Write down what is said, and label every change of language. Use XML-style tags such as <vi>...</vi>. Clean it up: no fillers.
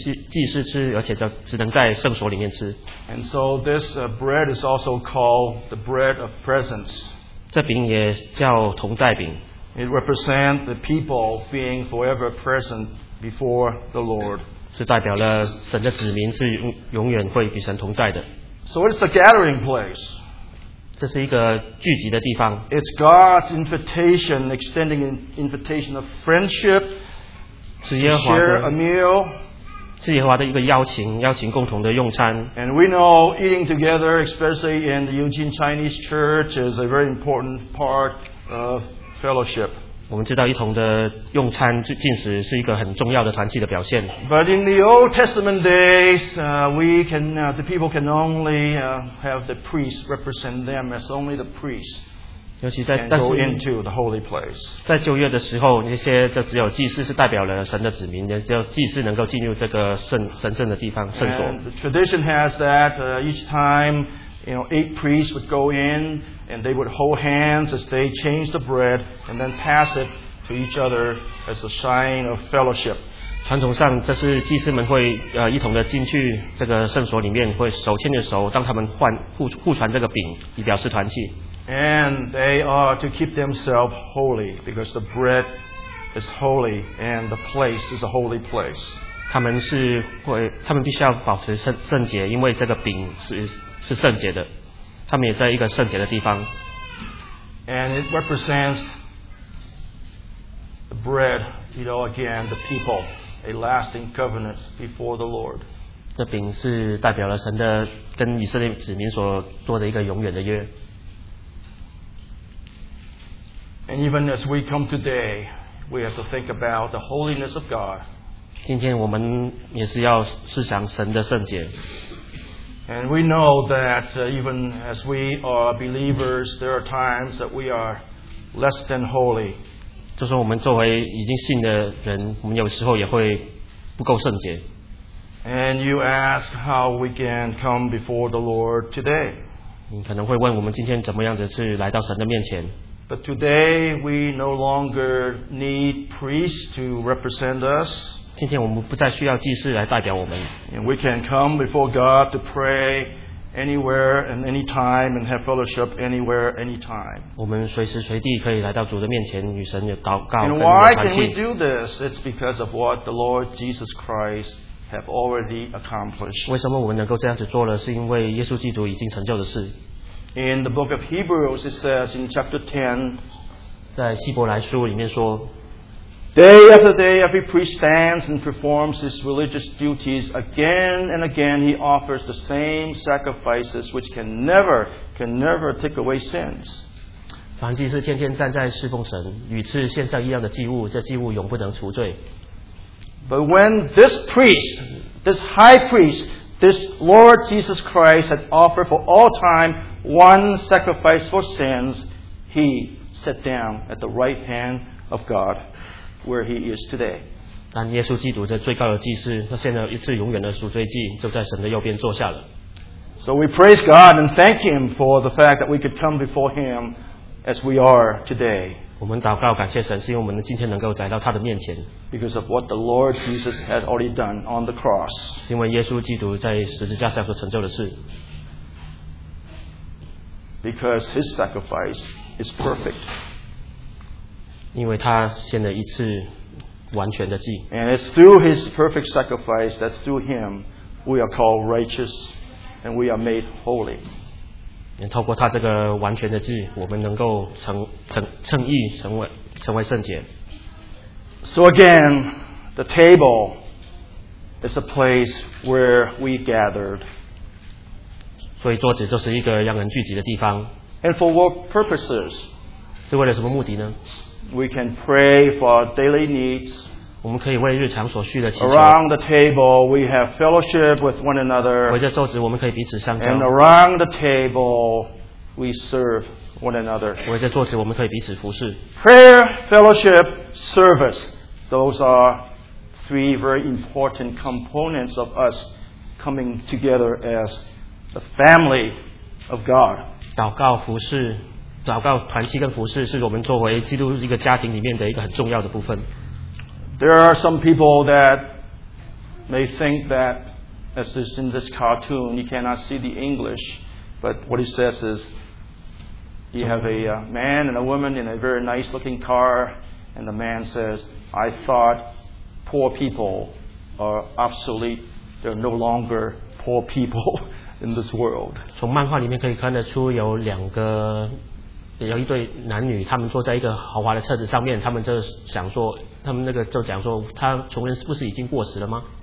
<zh>然后祭司就会把那些旧的饼吃掉，也只有这些饼也只能给祭司吃，而且只能在圣所里面吃。</zh> <en>And so this bread is also called the bread of presence.</en> <zh>这饼也叫同代饼。</zh> <en>It represents the people being forever present before the Lord.</en> <zh>是代表了神的子民是永远会与神同在的。</zh> <en>So it's a gathering place.</en> <zh>这是一个聚集的地方。</zh> <en>It's God's invitation, extending an invitation of friendship, to share a meal.</en> <zh>是耶和华的一个邀请，邀请共同的用餐。</zh> <en>And we know eating together, especially in the Eugene Chinese Church, is a very important part of fellowship.</en> <zh>我们知道一同的用餐进食是一个很重要的团契的表现。</zh> <en>But in the Old Testament days, the people can only have the priest represent them as only the priest.</en> <zh>尤其在</zh> <en>go into the holy place.</en> <zh>在旧约的时候，那些就只有祭司是代表了神的子民，只有祭司能够进入这个神圣的地方圣所。</zh> <en>And the tradition has that each time, you know, eight priests would go in. And they would hold hands as they change the bread and then pass it to each other as a sign of fellowship.</en> <zh>传统上，这是祭司们会一同的进去这个圣所里面，会手牵着手，当他们互传这个饼，以表示团契。</zh> <en>And they are to keep themselves holy because the bread is holy and the place is a holy place.</en> <zh>他们必须要保持圣洁，因为这个饼是圣洁的。他们也在一个圣洁的地方。</zh> <en>And it represents the bread, you know, again, the people, a lasting covenant before the Lord.</en> <zh>这饼是代表了神的跟以色列子民所做的一个永远的约。</zh> <en>And even as we come today, we have to think about the holiness of God.</en> <zh>今天我们也是要思想神的圣洁。</zh> <en>And we know that even as we are believers, there are times that we are less than holy.</en> <zh>就说我们作为已经信的人，我们有时候也会不够圣洁。</zh> <en>And you ask how we can come before the Lord today.</en> <zh>你可能会问我们今天怎么样子去来到神的面前。</zh> <en>But today we no longer need priests to represent us.</en> <zh>今天我们不再需要祭司来代表我们。</zh> <en>And we can come before God to pray anywhere and anytime and have fellowship anywhere, anytime.</en> <zh>我们随时随地可以来到主的面前与神有祷告。</zh> <en>And why can we do this? It's because of what the Lord Jesus Christ have already accomplished.</en> <zh>为什么我们能够这样子做呢？是因为耶稣基督已经成就的事。</zh> <en>In the book of Hebrews, it says in chapter 10,</en> <zh>在希伯来书里面说</zh> <en>Day after day, every priest stands and performs his religious duties. Again and again, he offers the same sacrifices which can never take away sins.</en> <zh>凡祭司天天站在侍奉神，与次献上一样的祭物，这祭物永不能除罪。</zh> <en>But when this priest, this high priest, this Lord Jesus Christ had offered for all time one sacrifice for sins, he sat down at the right hand of God. Where he is today.</en> <zh>但耶稣基督这最高的祭司，他献了一次永远的赎罪祭，就在神的右边坐下了。</zh> <en>So we praise God and thank Him for the fact that we could come before Him as we are today.</en> <zh>我们祷告感谢神，是因为我们今天能够来到他的面前。</zh> <en>Because of what the Lord Jesus had already done on the cross.</en> <zh>因为耶稣基督在十字架上所成就的事。</zh> <en>Because His sacrifice is perfect.</en> <zh>因为他献了一次完全的祭。</zh> <en>And it's through his perfect sacrifice that through him we are called righteous and we are made holy.</en> <zh>透过他这个完全的祭，我们能够称义，成为圣洁。</zh> <en>So again, the table is a place where we gathered.</en> <zh>所以桌子就是一个让人聚集的地方。</zh> <en>And for what purposes?</en> <zh>是为了什么目的呢？</zh> <en>We can pray for our daily needs.</en> <zh>我们可以为日常所需的祈求。</zh> <en>Around the table, we have fellowship with one another.</en> <zh>围着桌子，我们可以彼此相交。</zh> <en>And around the table, we serve one another.</en> <zh>围着桌子，我们可以彼此服侍。</zh> <en>Prayer, fellowship, service. Those are three very important components of us coming together as the family of God.</en> <zh>祷告服侍。祷告、团契跟服事是我们作为基督一个家庭里面的一个很重要的部分。</zh> <en>There are some people that may think that, as is in this cartoon, you cannot see the English, but what he says is, you have a man and a woman in a very nice looking car, and the man says, I thought poor people are obsolete, they're no longer poor people in this world.</en> <zh>从漫画里面可以看得出有两个有一对男女，他们坐在一个豪华的车子上面，他们就想说，他们那个就讲说，他穷人是不是已经过时了吗</zh>